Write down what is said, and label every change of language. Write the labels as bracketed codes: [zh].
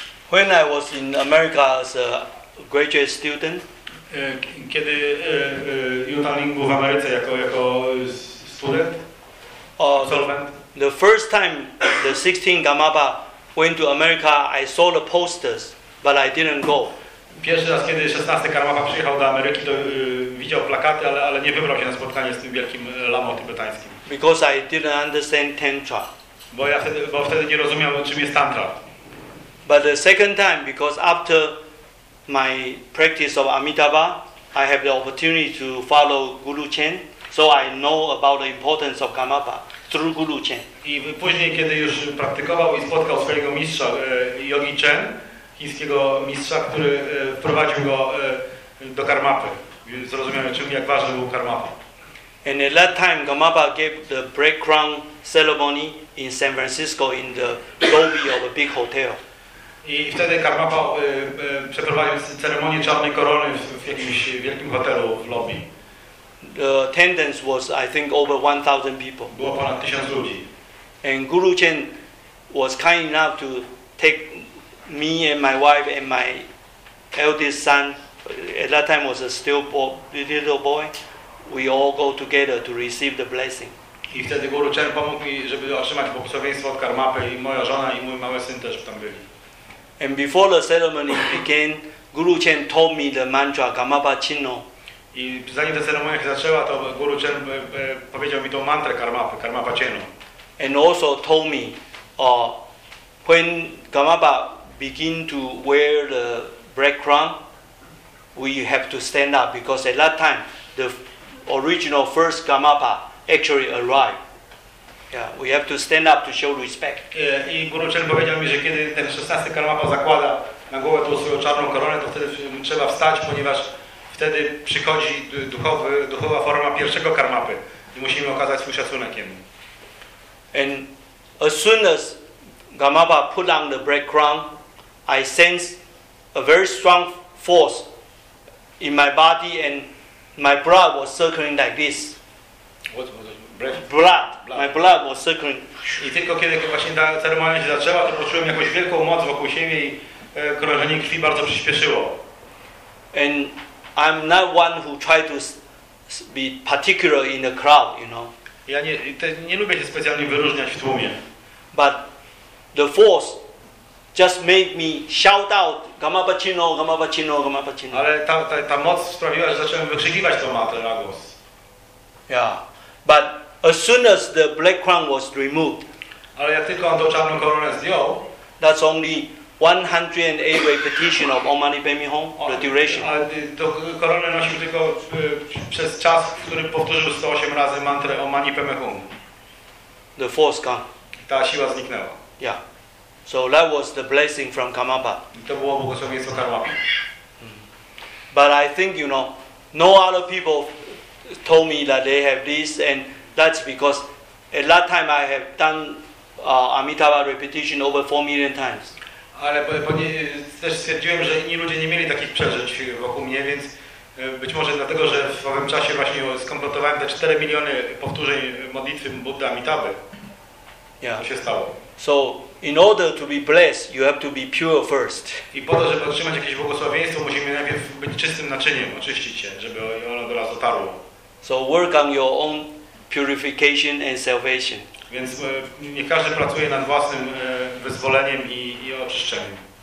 [en] When I was in America as a graduate student, [pl] kiedy Yutaling był w Ameryce jako student, absolvent. [en] The first time the 16th Karmapa went to America, I saw the posters, but I didn't go. [pl] Pierwszy raz, kiedy 16 Karmapa przyjechał do Ameryki, to widział plakaty, ale nie wybrał się na spotkanie z tym wielkim lamą tybetańskim. [en] Because I didn't understand tantra. [pl] Bo wtedy nie rozumiał, czym jest tantra. [en] But the second time, because after my practice of Amitabha, I have the opportunity to follow Guru Chen. So I know about the importance of Karmapa through Guru Chen. [pl] I później, kiedy już praktykował i spotkał swojego mistrza, Yogi Chen, chińskiego mistrza, który wprowadził go do Karmapy. Zrozumiałem, czym, jak ważny był Karmapa. [en] And at that time, Karmapa gave the breakground ceremony in San Francisco in the lobby of a big hotel. [pl] I wtedy Karmapa przeprowadził ceremonię czarnej korony w jakimś wielkim hotelu w lobby. [en] The attendance was, I think, over 1,000 people. [pl] Było ponad 1,000 ludzi. [en] And Guru Chen was kind enough to take me and my wife and my eldest son, at that time was a still little boy, we all go together to receive the blessing. [pl] I wtedy Guru Chen pomógł mi, żeby otrzymać błogosławieństwo od Karmapy, i moja żona i mój mały syn też tam byli. [en] And before the ceremony began, Guru Chen told me the mantra, Karmapa Chino. [pl] I zanim ta ceremonia się zaczęła, to Guru Chen powiedział mi tą mantrę Karmapy, Karmapa Chino. [en] And also told me, when Karmapa begin to wear the black crown, we have to stand up, because at that time, the original first Karmapa actually arrived. Yeah, we have to stand up to show respect. [pl] I Guru Chen powiedział mi, że kiedy ten 16 Karmapa zakłada na głowę tą swoją czarną koronę, to wtedy trzeba wstać, ponieważ wtedy przychodzi duchowa forma pierwszego Karmapy i musimy okazać swój szacunek jemu. [en] And as soon as Karmapa put on the black crown, I sense a very strong force in my body, and my blood was circling like this. What was it? Blood. My blood was circling. [pl] I tylko kiedy właśnie ta ceremonia się zaczęła, to poczułem jakąś wielką moc wokół siebie i krążenie krwi bardzo przyspieszyło. [en] And I'm not one who try to be particular in the crowd, you know. [pl] Ja nie lubię się specjalnie wyróżniać w tłumie. [en] But the force just made me shout out, Karmapa Chino, Karmapa Chino, Karmapa Chino. [pl] Ale ta moc sprawiła, że zacząłem wykrzykiwać tą mantrę na głos. [en] Yeah. But as soon as the black crown was removed, [pl] ale jak tylko on tą czarną koronę zdjął, [en] that's only 108 repetition of Om Mani Padme Hum, the duration. [pl] Ale tą koronę nosił tylko przez czas, w którym powtórzył 108 razy mantrę Om Mani Padme Hum. [en] The force gone. [pl] Ta siła zniknęła. [en] Yeah. So that was the blessing from Karmapa. [pl] To było błogosławieństwo Karmapa. [en] But I think, you know, no other people told me that they have this, and that's because at that time I have done Amitabha repetition over 4 million times. [pl] Ale też stwierdziłem, że inni ludzie nie mieli takich przeżyć wokół mnie, więc być może dlatego, że w owym czasie właśnie skompletowałem te 4 miliony powtórzeń modlitwy Buddy Amitabhy. [en] Yeah. [pl] To się stało. [en] So in order to be blessed, you have to be pure first. [pl] I po to, żeby otrzymać jakieś błogosławieństwo, musimy najpierw być czystym naczyniem, oczyścić się, żeby ono do nas dotarło. [en] So work on your own purification and salvation. [pl] Więc nie każdy pracuje nad własnym wyzwoleniem i oczyszczeniem.